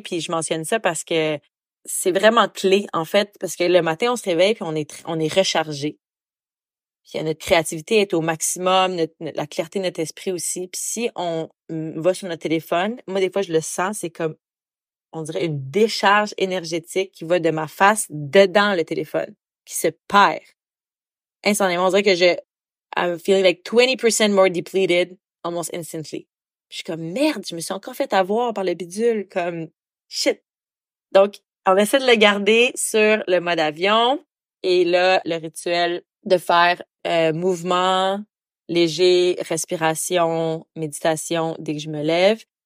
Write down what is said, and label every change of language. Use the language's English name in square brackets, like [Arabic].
[French] Puis je mentionne ça parce que c'est vraiment clé, en fait, parce que le matin, on se réveille, puis on est rechargé. Puis notre créativité est au maximum, la clarté de notre esprit aussi. Puis si on va sur notre téléphone, moi, des fois, je le sens, c'est comme, on dirait, une décharge énergétique qui va de ma face dedans le téléphone, qui se perd. Instantanément, on dirait que [English] I'm feeling like 20% more depleted almost instantly. [French] Puis je suis comme, merde, je me suis encore fait avoir par le bidule, comme, shit. Donc, on essaie de le garder sur le mode avion. Et là, le rituel de faire mouvement, léger, respiration, méditation dès que je me lève.